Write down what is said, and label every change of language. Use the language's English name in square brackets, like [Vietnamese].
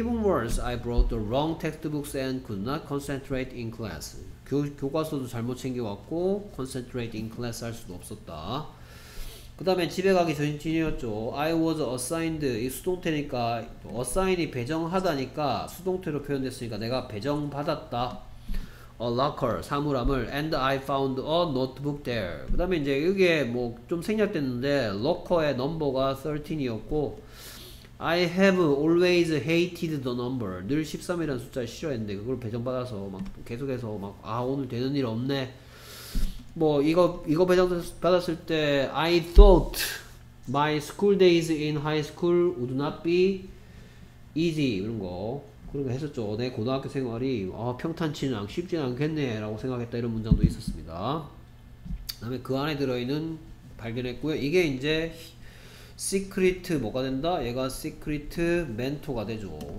[English] Even worse, I brought the wrong textbooks and could not concentrate in class. [Korean] 교과서도 잘못 챙겨왔고, [English] concentrate in class [Korean] 할 수도 없었다. 그 다음에 집에 가기 전이었죠. [English] I was assigned. [Korean] 이 수동태니까, assign이 배정하다니까, 수동태로 표현됐으니까 내가 배정받았다. [English] A locker, [Korean] 사물함을, [English] and I found a notebook there. [Korean] 그 다음에 이제 이게 뭐좀 생략됐는데, locker의 넘버가 13이었고, [English] I have always hated the number. [Korean] 늘 13이라는 숫자를 싫어했는데, 그걸 배정받아서 막 계속해서 막, 아, 오늘 되는 일 없네. 뭐, 이거 배정받았을 때, [English] I thought my school days in high school would not be [Korean] easy 이런 거 그런 거 했었죠. 내 고등학교 생활이 평탄치는 않, 쉽진 않겠네라고 생각했다 이런 문장도 있었습니다. 그다음에 그 안에 들어있는 발견했고요. 이게 이제 시크릿 뭐가 된다? 얘가 시크릿 멘토가 되죠.